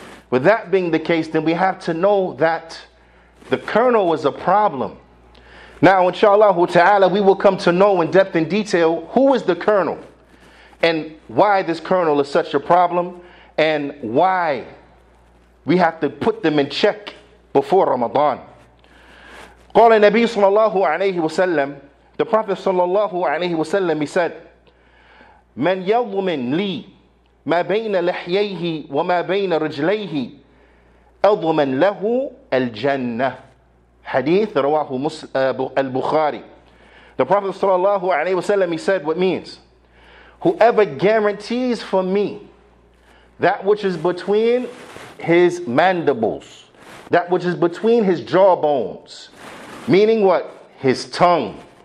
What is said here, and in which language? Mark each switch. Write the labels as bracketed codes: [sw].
[en] With that being the case, then we have to know that the kernel was a problem. Now, inshallah ta'ala, we will come to know in depth and detail who is the kernel and why this kernel is such a problem and why we have to put them in check before Ramadan. [ar] قال النبي صلى الله عليه وسلم, [en] the Prophet [ar] صلى الله عليه وسلم, [en] he said, [ar] من يضمن لي ما بين لحييه وما بين رجليه أضمن له الجنة. Hadith رواه البخاري. [en] The Prophet sallallahu alaihi wasallam, he said, what means, whoever guarantees for me that which is between his mandibles, that which is between his jawbones, meaning what? His tongue.